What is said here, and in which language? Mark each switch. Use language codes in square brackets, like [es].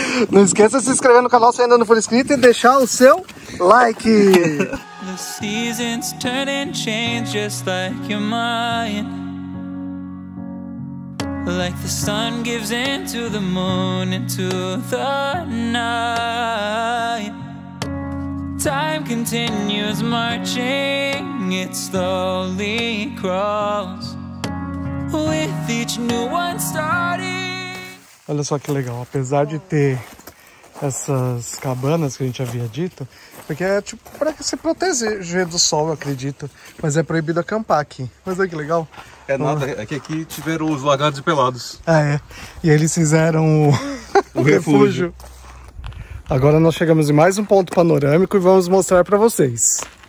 [pt] Não esqueça de se inscrever no canal se ainda não for inscrito e deixar o seu like. [en] The seasons turn and change just like your mind. Like the sun gives into the moon into the night. Time continues marching, it slowly crawls. With each new one starting. [pt] Olha só que legal, apesar de ter essas cabanas que a gente havia dito, porque é tipo para se proteger do sol, eu acredito, mas é proibido acampar aqui. Mas olha que legal. É nada, é que aqui tiveram os lagartos pelados. Ah, é. E eles fizeram o refúgio. Agora nós chegamos em mais um ponto panorâmico e vamos mostrar para vocês.